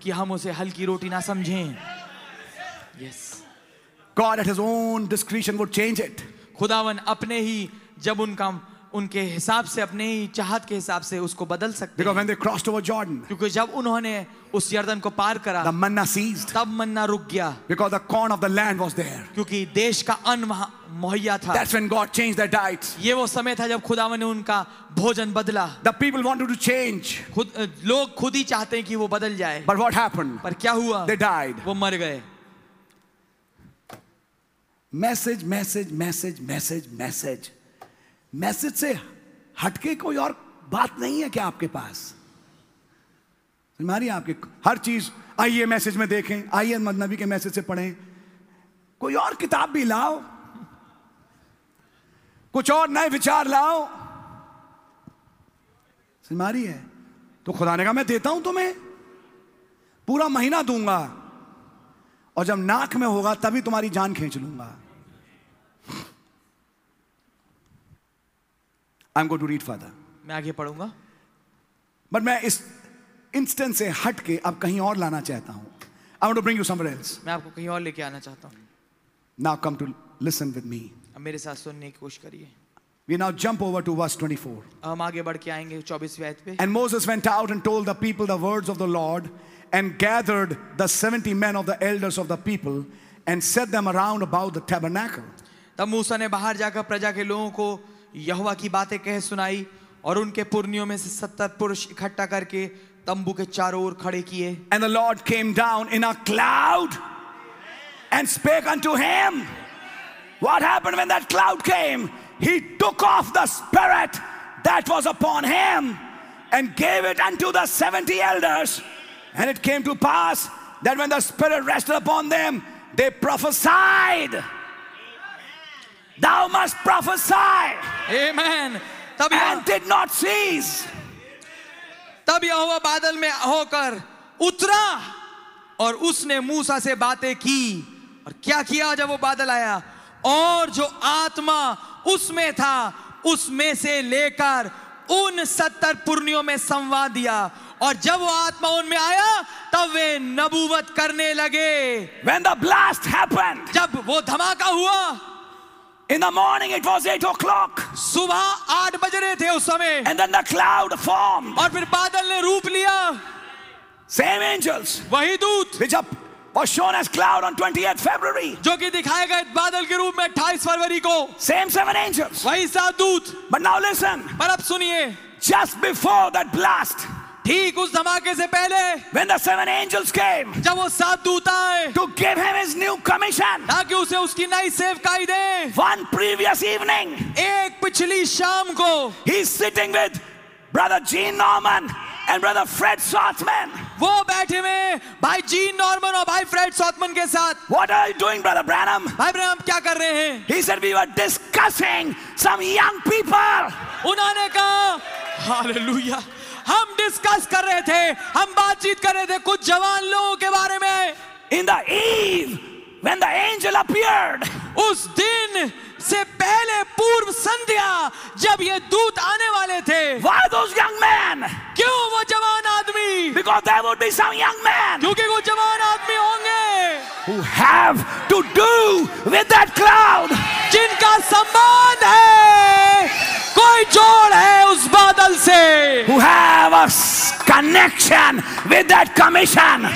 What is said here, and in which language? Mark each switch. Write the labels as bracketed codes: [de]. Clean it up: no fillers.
[hi] कि हम उसे हल्की रोटी ना समझें. [en] Yes. God at his own discretion would change it. [hi] खुदावन अपने ही, जब उनका उनके हिसाब से, अपने ही चाहत के हिसाब से उसको बदल सकते. [en] Because when they crossed over Jordan, [hi] क्योंकि जब उन्होंने उस यर्दन को पार करा, [en] the manna ceased, [hi] तब मन्ना रुक गया. [en] Because the corn of the land was there, [hi] क्योंकि देश का अन्न वहां मुहैया था. [en] That's when God changed their diet. [hi] ये वो समय था जब खुदावन ने उनका भोजन बदला. [en] The people wanted to change. [hi] लोग खुद ही चाहते हैं कि वो बदल जाए. [en] But what happened? [hi] पर क्या हुआ? [en] They died. [hi] वो मर गए. Message message message message message message से हटके कोई और बात नहीं है क्या आपके पास? हमारी आपके हर चीज आइए मैसेज में देखें, आइए मदनबी के मैसेज से पढ़ें, कोई और किताब भी लाओ, कुछ और नए विचार लाओ. हमारी है तो खुदा ने कहा, मैं देता हूं तुम्हें, पूरा महीना दूंगा, और जब नाक में होगा तभी तुम्हारी जान खींच लूंगा. [en] I'm going to read further. [hi] मैं आगे पढ़ूंगा, बट मैं इस इंस्टेंस से हट के अब कहीं और लाना चाहता हूं. [en] I want to bring you somewhere else. [hi] मैं आपको कहीं और लेके आना चाहता हूं. [en] Now come to listen with me. [hi] अब मेरे साथ सुनने की कोशिश करिए. [en] We now jump over to verse 24. [hi] हम आगे बढ़ के आएंगे 24वें आयत पे. [en] And Moses went out and told the people the words of the Lord, and gathered the 70 men of the elders of the people, and set them around about the tabernacle. [hi] तब मूसा ने बाहर जाकर प्रजा के लोगों को यहोवा की बातें कह सुनाई, और उनके पुरनियों में से 70 पुरुष इकट्ठा करके तंबू के चारों ओर खड़े किए. [en] And the Lord came down in a cloud and spake unto him. What happened when that cloud came? He took off the spirit that was upon him and gave it unto the 70 elders. And it came to pass that when the spirit rested upon them, they prophesied. Thou must prophesy. Amen. And did not cease. [hi] तब यहोवा बादल में होकर उतरा और उसने मूसा से बातें की. और क्या किया जब वो बादल आया? और जो आत्मा उसमें था उसमें से लेकर उन 70 पुरनियों में संवाद दिया. और जब वो आत्मा उनमें आया तब वे नबूवत करने लगे. [en] When the blast happened, [hi] जब वो धमाका हुआ, [en] in the morning it was 8 o'clock. [hi] सुबह 8 बज रहे थे उस समय. [en] And then the cloud formed. [hi] और फिर बादल ने रूप लिया. [en] Same angels. [hi] वही दूत. [en] Which was shown as cloud on 28 February. [hi] जो कि दिखाए गए बादल के रूप में 28 फरवरी को. [en] Same 7 angels. [hi] वही 7 दूत. [en] But now listen. [hi] पर अब सुनिए. [en] Just before that blast. [hi] ठीक उस धमाके से पहले. [en] When the 7 angels came. [hi] जब वो 7 दूत आए. [en] To give him his new commission. [hi] ताकि उसे उसकी नई सेवकाई दे. [en] One previous evening. [hi] एक पिछली शाम को. [en] He's sitting with brother Gene Norman and brother Fred Sautman. [hi] वो बैठे हुए भाई जीन नॉर्मन और भाई फ्रेड सॉटमन के साथ. [en] What are you doing, brother Branham? [hi] भाई ब्रैनम क्या कर रहे हैं? [en] He said we were discussing some young people. [hi] उन्होंने कहा, हालेलुया, हम डिस्कस कर रहे थे, हम बातचीत कर रहे थे कुछ जवान लोगों के बारे में. [en] In the eve when the angel appeared. [hi] उस दिन से पहले पूर्व संध्या जब ये दूत आने वाले थे. [en] Why those young men? [hi] क्यों वो जवान आदमी? [en] Because there would be some young men. [hi] क्योंकि वो जवान आदमी होंगे. [en] Who have to do with that cloud? [hi] जिनका संबंध है, कोई जोड़ है उस बादल से. [en] Who have a connection with that commission?